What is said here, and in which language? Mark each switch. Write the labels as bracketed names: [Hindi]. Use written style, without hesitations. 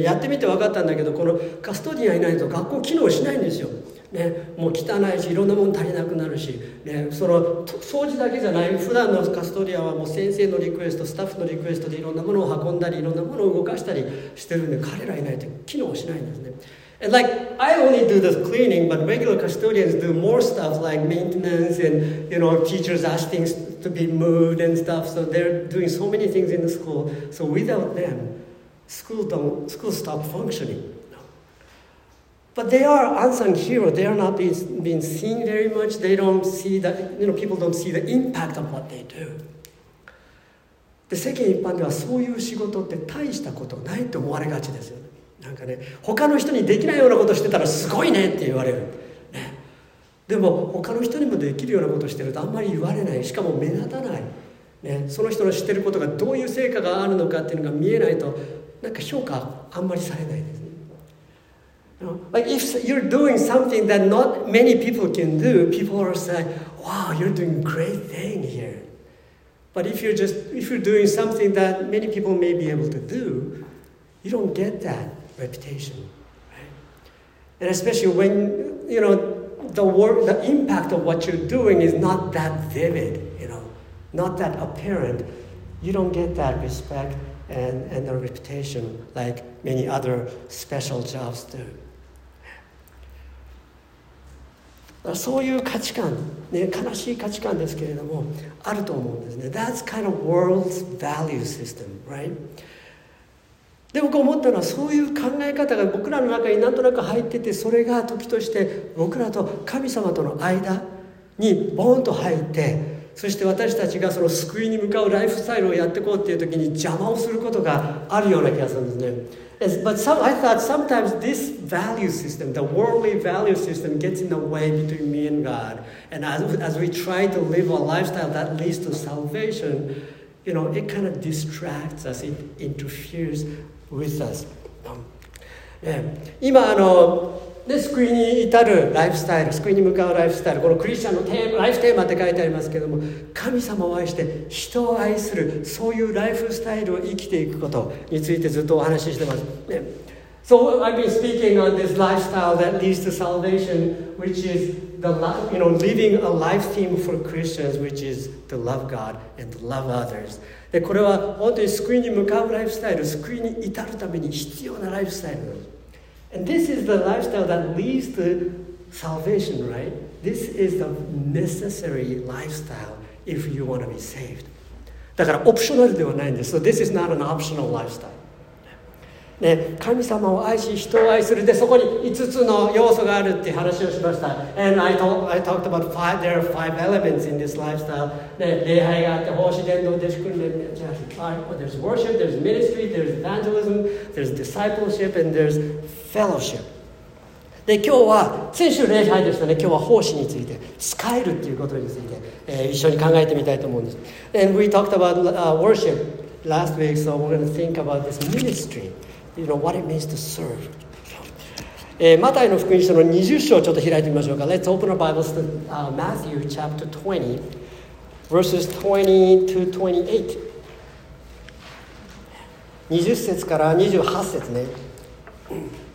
[Japanese] やってみて分かったんだけど、このカストディアンいないと学校機能しないんですよ、ね、もう汚いしいろんなもの足りなくなるし、ね、その掃除だけじゃない、普段のカストディアンはもう先生のリクエスト、スタッフのリクエストでいろんなものを運んだりいろんなものを動かしたりしてるんで、彼らいないと機能しないんですね。 [English] And like, I only do the cleaning, but regular custodians do more stuff like maintenance and, you know, teachers ask things to be moved and stuff. So they're doing so many things in the school. So without them, school stop functioning. But they are unsung heroes. They are not being seen very much. They don't see that, you know, people don't see the impact of what they do. [Japanese] で、世間一般ではそういう仕事って大したことないと思われがちですよ。なんかね、他の人にできないようなことしてたらすごいねって言われる、ね、でも他の人にもできるようなことしてるとあんまり言われない、しかも目立たない、ね、その人の知ってることがどういう成果があるのかっていうのが見えないと、なんか評価あんまりされないですね。 [English] Like if you're doing something that not many people can do, people are saying, wow, you're doing great thing here. But if you're doing something that many people may be able to do, you don't get thatreputation, right? And especially when, you know, the work, the impact of what you're doing is not that vivid, you know, not that apparent, you don't get that respect and the reputation like many other special jobs do. [Japanese] そういう価値観、ね、悲しい価値観ですけれども、あると思うんですね。 [English] That's kind of world's value system, right? [Japanese] で、僕思ったのは、そういう考え方が僕らの中になんとなく入ってて、それが時として僕らと神様との間にボーンと入って、そして私たちがその救いに向かうライフスタイルをやっていこうっていう時に邪魔をすることがあるような気がするんですね。 [English] But some, I thought sometimes this value system, the worldly value system gets in the way between me and God. And as we try to live a lifestyle that leads to salvationYou know, it kind of distracts us, it interferes with us. [Japanese] Yeah. 今あの、ね、救いに至るライフスタイル、救いに向かうライフスタイル、このクリスチャンのテーマ、ライフテーマって書いてありますけども、神様を愛して人を愛する、そういうライフスタイルを生きていくことについてずっとお話ししてます。 [English] Yeah. So I've been speaking on this lifestyle that leads to salvation, which is the love, you know, living a life theme for Christians, which is to love God and to love others. [Japanese] で、これは本当に救いに向かうライフスタイル、救いに至るために必要なライフスタイル。 [English] And this is the lifestyle that leads to salvation, right? This is the necessary lifestyle if you want to be saved. [Japanese] だからオプショナルではないんです。 [English] So this is not an optional lifestyle. [Japanese] ね、神様を愛し人を愛する、でそこに5つの要素があるって話をしました。 [English] And I talked about five, there are five elements in this lifestyle、 [Japanese] ね、礼拝があって、奉仕、伝道、弟子訓練、 [English] there's worship, there's ministry, there's evangelism, there's discipleship, and there's fellowship。 [Japanese] で今日は先週礼拝でしたね、今日は奉仕について、使えるっていうことについて、一緒に考えてみたいと思うんです。 [English] And we talked about worship last week, so we're going to think about this ministryYou know what it means to serve. [Japanese] マタイの福音書の20章をちょっと開いてみましょうか。 [English] Let's open our Bibles to Matthew chapter 20, verses 20 to 28. [Japanese] 20節から28節ね。